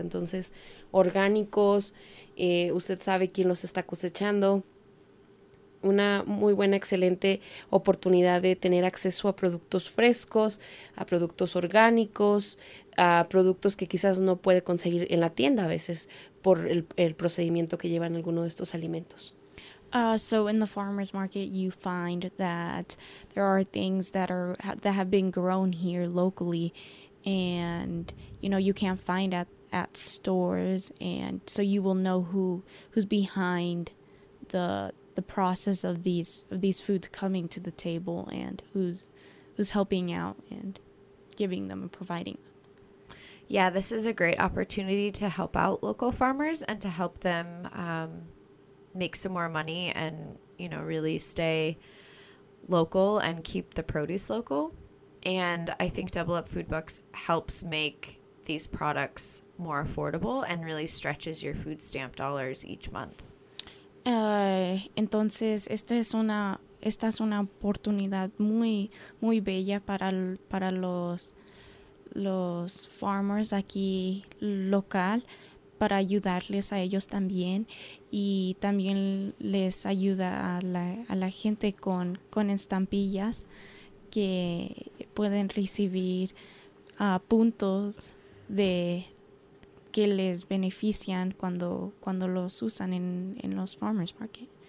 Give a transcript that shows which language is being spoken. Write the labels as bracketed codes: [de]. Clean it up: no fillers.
[es] Entonces, orgánicos. Usted sabe quién los está cosechando. Una muy buena, excelente oportunidad de tener acceso a productos frescos, a productos orgánicos, a productos que quizás no puede conseguir en la tienda a veces por el procedimiento que llevan alguno de estos alimentos. [en] So in the farmers market, you find that there are things that have been grown here locally, and you know you can't find at stores, and so you will know who's behind the process of these foods coming to the table, and who's helping out and giving them and providing them. Yeah, this is a great opportunity to help out local farmers and to help them make some more money and, you know, really stay local and keep the produce local. And I think Double Up Food Bucks helps make these products more affordable and really stretches your food stamp dollars each month. [es] Entonces, esta es una oportunidad muy, muy bella para los farmers aquí local, para ayudarles a ellos también, y también les ayuda a la gente con estampillas que pueden recibir puntos de que les benefician cuando los usan en los farmers market.